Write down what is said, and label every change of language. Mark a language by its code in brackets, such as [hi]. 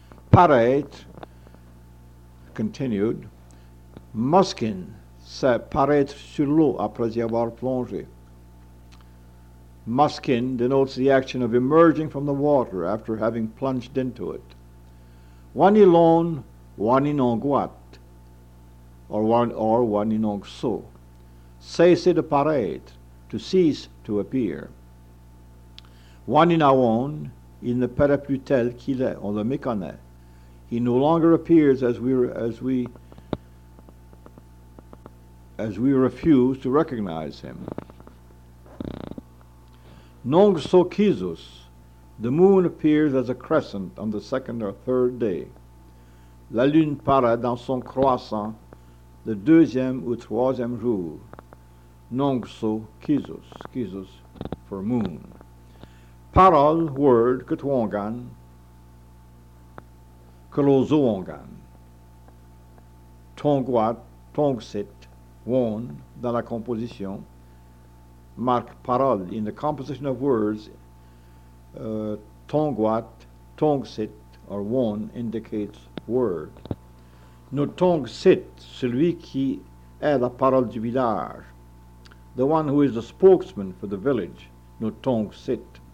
[fr] Paraître, continued, muskin, c'est paraître sur l'eau après y avoir plongé. [en] Muskin denotes the action of emerging from the water after having plunged into it. [abe] Wanilon, waninonguat, or waninongso. [fr] Cesse de paraître, [en] to cease to appear. [fr] Waninawon, il ne paraît plus tel qu'il est, on le méconnaît. [en] He no longer appears as we refuse to recognize him. [abe] Nongso kizus, [en] the moon appears as a crescent on the second or third day. [fr] La lune paraît dans son croissant le deuxième ou troisième jour. [abe] Nongso kizus, kizus for moon. Parole, word, kutwongan, kulozoongan. Tongwat, tongsit, won, [fr] dans la composition. Marque parole, [en] in the composition of words, tongwat, tongsit, or won, indicates word. [fr] Notongsit, celui qui est la parole du village. [en] The one who is the spokesman for the village, notong sit.